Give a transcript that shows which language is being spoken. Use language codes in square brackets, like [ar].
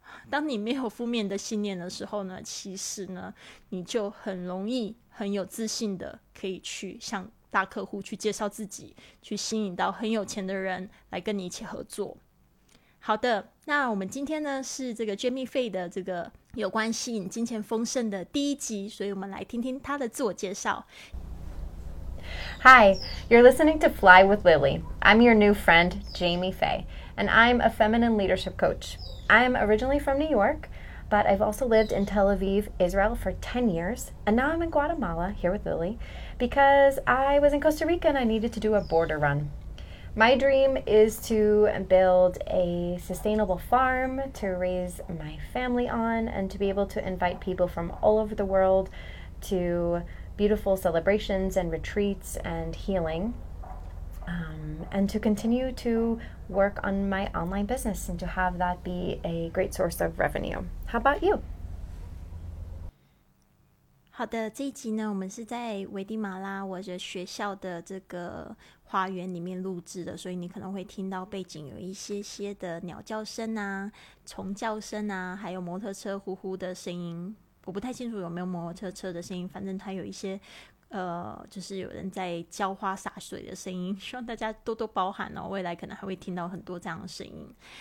[zh] 当你没有负面的信念的时候呢，其实呢你就很容易很有自信的可以去向大客户去介绍自己，去吸引到很有钱的人来跟你一起合作。好的，那我们今天呢是这个 Jamie Fay 的这个有关吸引金钱丰盛的第一集，所以我们来听听他的自我介绍。 [en] Hi, you're listening to Fly with Lily. I'm your new friend, Jamie Fay, and I'm a feminine leadership coach. I'm originally from New York, but I've also lived in Tel Aviv, Israel for 10 years, and now I'm in Guatemala here with Lily because I was in Costa Rica and I needed to do a border run. My dream is to build a sustainable farm to raise my family on and to be able to invite people from all over the world to beautiful celebrations and retreats and healing, and to continue to work on my online business and to have that be a great source of revenue. How about you? [zh] 好的，这一集呢我们是在危地马拉我的学校的这个花园里面录制的，所以你可能会听到背景有一些些的鸟叫声啊，虫叫声啊，还有摩托车呼呼的声音，我不太清楚有没有摩托车的声音，反正它有一些就是有人在浇花洒水的声音，希望大家多多包涵哦，未来可能还会听到很多这样的声音。